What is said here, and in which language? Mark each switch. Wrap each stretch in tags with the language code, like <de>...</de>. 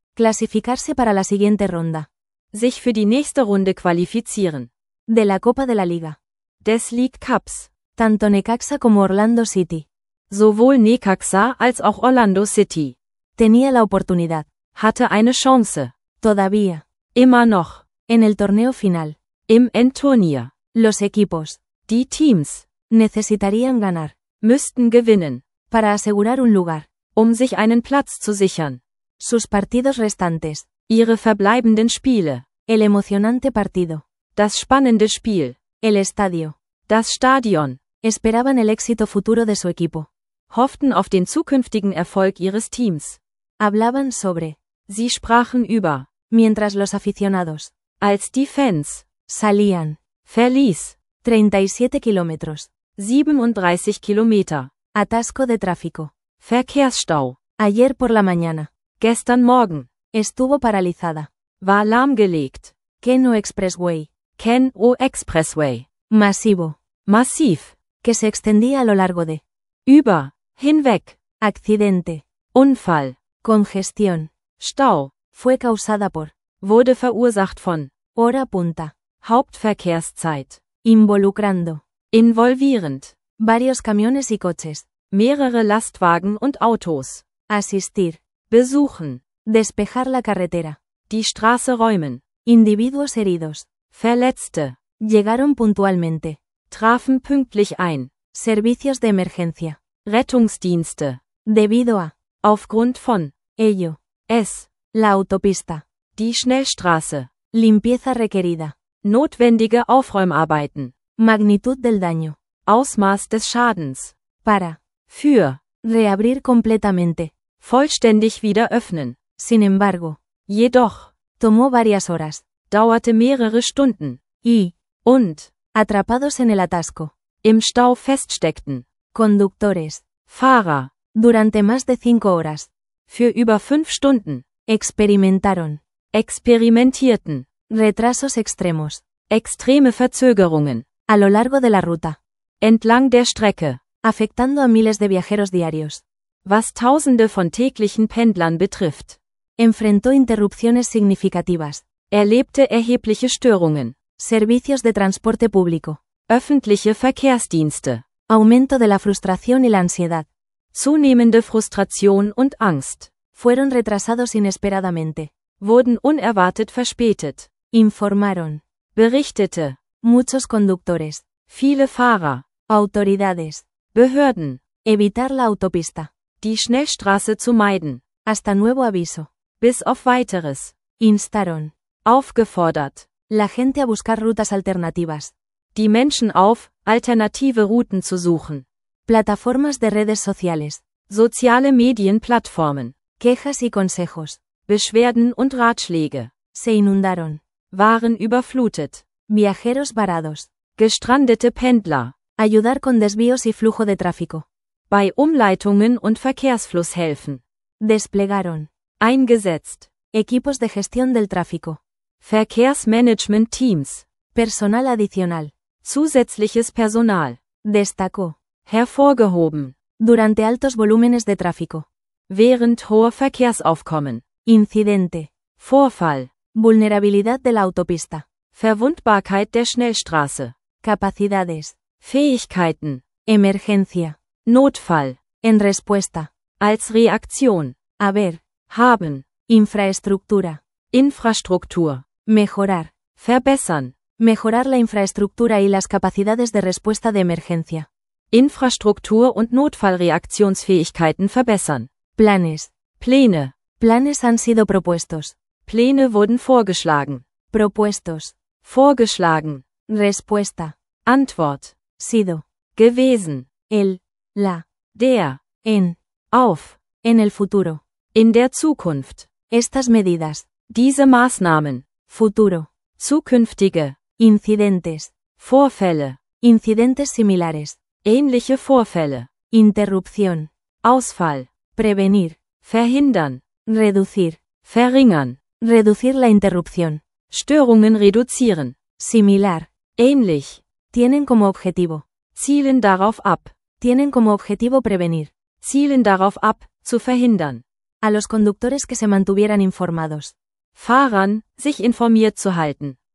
<es>Clasificarse para la siguiente ronda.</es> <de>Sich für die nächste Runde qualifizieren.</de> <es>De la Copa de la Liga.</es> <de>Des League Cups.</de> <es>Tanto Necaxa como Orlando City.</es> <de>Sowohl Necaxa als auch Orlando City.</de> <es>Tenía la oportunidad.</es> <de>Hatte eine Chance.</de> <es>Todavía.</es> <de>Immer noch.</de> <es>En el torneo final.</es> <de>Im Endturnier.</de> <es>Los equipos.</es> <de>Die Teams.</de> <es>Necesitarían ganar.</es> <de>Müssten gewinnen.</de> <es>Para asegurar un lugar.</es> <de>Sich einen Platz zu sichern.</de> <es>Sus partidos restantes.</es> <de>Ihre verbleibenden Spiele.</de> <es>El emocionante partido.</es> <de>Das spannende Spiel.</de> <es>El estadio.</es> <de>Das Stadion.</de> <es>Esperaban el éxito futuro de su equipo.</es> <de>Hofften auf den zukünftigen Erfolg ihres Teams.</de> <es>Hablaban sobre.</es> <de>Sie sprachen über.</de> <es>Mientras los aficionados.</es> <de>Als die Fans.</de> <es>Salían. Feliz. 37 kilómetros.</es> <de>37 Kilometer.</de> <es>Atasco de tráfico.</es> <de>Verkehrsstau.</de> <es>Ayer por la mañana.</es> <de>Gestern Morgen.</de> <es>Estuvo paralizada.</es> <de>War lahmgelegt.</de> <es>Kenno Expressway.</es> <de>Kenno Expressway.</de> <es>Masivo.</es> <de>Massiv.</de> <es>Que se extendía a lo largo de.</es> <de>Über. Hinweg.</de> <es>Accidente.</es> <de>Unfall.</de> <es>Congestión.</es> <de>Stau.</de> <es>Fue causada por.</es> <de>Wurde verursacht von.</de> <es>Hora punta.</es> <de>Hauptverkehrszeit.</de> <es>Involucrando.</es> <de>Involvierend.</de> <es>Varios camiones y coches.</es> <de>Mehrere Lastwagen und Autos.</de> <es>Asistir.</es> <de>Besuchen.</de> <es>Despejar la carretera.</es> <de>Die Straße räumen.</de> <es>Individuos heridos.</es> <de>Verletzte.</de> <es>Llegaron puntualmente.</es> <de>Trafen pünktlich ein.</de> <es>Servicios de emergencia.</es> <de>Rettungsdienste.</de> <es>Debido a.</es> <de>Aufgrund von.</de> <es>Ello.</es> <de>Es.</de> <es>La autopista.</es> <de>Die Schnellstraße.</de> <es>Limpieza requerida.</es> <de>Notwendige Aufräumarbeiten.</de> <es>Magnitud del daño.</es> <de>Ausmaß des Schadens.</de> <es>Para.</es> <de>Für.</de> <es>Reabrir completamente.</es> <de>Vollständig wieder öffnen.</de> <es>Sin embargo.</es> <de>Jedoch.</de> <es>Tomó varias horas.</es> <de>Dauerte mehrere Stunden.</de> <es>Y.</es> <de>Und.</de> <es>Atrapados en el atasco.</es> <de>Im Stau feststeckten.</de> <es>Conductores.</es> <de>Fahrer.</de> <es>Durante más de 5 horas.</es> <de>Für über 5 Stunden.</de> <es>Experimentaron.</es> <de>Experimentierten.</de> <es>Retrasos extremos.</es> <de>Extreme Verzögerungen.</de> <es>A lo largo de la ruta.</es> <de>Entlang der Strecke.</de> <es>Afectando a miles de viajeros diarios.</es> <de>Was tausende von täglichen Pendlern betrifft.</de> <es>Enfrentó interrupciones significativas.</es> <de>Erlebte erhebliche Störungen.</de> <es>Servicios de transporte público.</es> <de>Öffentliche Verkehrsdienste.</de> <es>Aumento de la frustración y la ansiedad.</es> <de>Zunehmende Frustration und Angst.</de> <es>Fueron retrasados inesperadamente.</es> <de>Wurden unerwartet verspätet.</de> <es>Informaron.</es> <de>Berichtete.</de> <es>Muchos conductores.</es> <de>Viele Fahrer.</de> <es>Autoridades.</es> <de>Behörden.</de> <es>Evitar la autopista.</es> <de>Die Schnellstraße zu meiden.</de> <es>Hasta nuevo aviso.</es> <de>Bis auf weiteres.</de> <es>Instaron.</es> <de>Aufgefordert.</de> <es>La gente a buscar rutas alternativas.</es> <de>Die Menschen auf, alternative Routen zu suchen.</de> <es>Plataformas de redes sociales.</es> <de>Soziale Medienplattformen.</de> <es>Quejas y consejos.</es> <de>Beschwerden und Ratschläge.</de> <es>Se inundaron.</es> <de>Waren überflutet.</de> <es>Viajeros varados.</es> <de>Gestrandete Pendler.</de> <es>Ayudar con desvíos y flujo de tráfico.</es> <de>Bei Umleitungen und Verkehrsfluss helfen.</de> <es>Desplegaron.</es> <de>Eingesetzt.</de> <es>Equipos de gestión del tráfico.</es> <de>Verkehrsmanagement Teams.</de> <es>Personal adicional.</es> <de>Zusätzliches Personal.</de> <es>Destacó.</es> <de>Hervorgehoben.</de> <es>Durante altos volúmenes de tráfico.</es> <de>Während hoher Verkehrsaufkommen.</de> <es>Incidente.</es> <de>Vorfall.</de> <es>Vulnerabilidad de la autopista.</es> <de>Verwundbarkeit der Schnellstraße.</de> <es>Capacidades.</es> <de>Fähigkeiten.</de> <es>Emergencia.</es> <de>Notfall.</de> <es>En respuesta.</es> <de>Als Reaktion.</de> <es>Haber.</es> <de>Haben.</de> <es>Infraestructura.</es> <de>Infrastruktur.</de> <es>Mejorar.</es> <de>Verbessern.</de> <es>Mejorar la infraestructura y las capacidades de respuesta de emergencia.</es> <de>Infrastruktur und Notfallreaktionsfähigkeiten verbessern.</de> <es>Planes.</es> <de>Pläne.</de> <es>Planes han sido propuestos.</es> <de>Pläne wurden vorgeschlagen.</de> <es>Propuestos.</es> <de>Vorgeschlagen.</de> <es>Respuesta.</es> <de>Antwort.</de> <es>Sido.</es> <de>Gewesen.</de> <es>El. La.</es> <de>Der.</de> <es>En.</es> <de>Auf.</de> <es>En el futuro.</es> <de>In der Zukunft.</de> <es>Estas medidas.</es> <de>Diese Maßnahmen.</de> <es>Futuro.</es> <de>Zukünftige.</de> <es>Incidentes.</es> <de>Vorfälle.</de> <es>Incidentes similares.</es> <de>Ähnliche Vorfälle.</de> <es>Interrupción.</es> <de>Ausfall.</de> <es>Prevenir.</es> <de>Verhindern.</de> <es>Reducir.</es> <de>Verringern.</de> <es>Reducir la interrupción.</es> <de>Störungen reduzieren.</de> <es>Similar.</es> <de>Ähnlich.</de> <es>Tienen como objetivo.</es> <de>Zielen darauf ab.</de> <es>Tienen como objetivo prevenir.</es> <de>Zielen darauf ab, zu verhindern.</de> <es>A los conductores que se mantuvieran informados.</es> <de>Fahrern, sich informiert zu halten.</de>